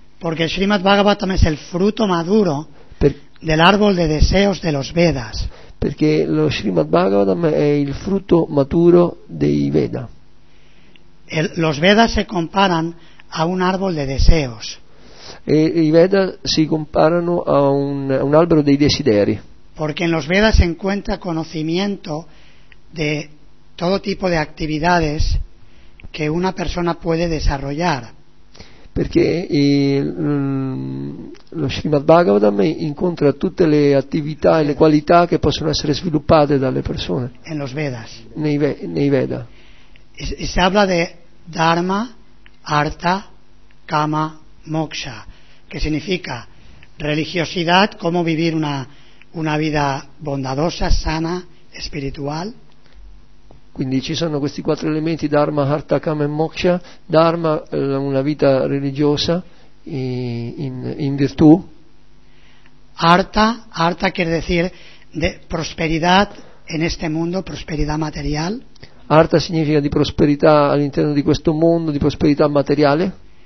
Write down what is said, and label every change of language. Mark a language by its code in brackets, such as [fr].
[es] Porque el Srimad Bhagavatam es el fruto maduro del árbol de deseos de los Vedas. [it] Perché lo Srimad Bhagavatam è il frutto maturo dei Veda. [es] Los Vedas se comparan a un árbol de deseos. [it] E i Veda si comparano a un albero dei desideri. [es] Porque en los Vedas se encuentra conocimiento de todo tipo de actividades que una persona puede desarrollar. [it] Perché lo Srimad Bhagavatam incontra tutte le attività e le qualità che possono essere sviluppate dalle persone. [es] En los Vedas. [it] Nei Veda. [es] Y se habla de Dharma, Artha, Kama, Moksha, que significa religiosidad, cómo vivir una vida bondadosa, sana, espiritual. [it] Quindi ci sono questi quattro elementi: Dharma, Artha, Kama e Moksha. Dharma, una vita religiosa in virtù. [es] Artha quiere decir de prosperidad en este mundo, prosperidad material. [it] Artha significa di prosperità all'interno di questo mondo, di prosperità materiale.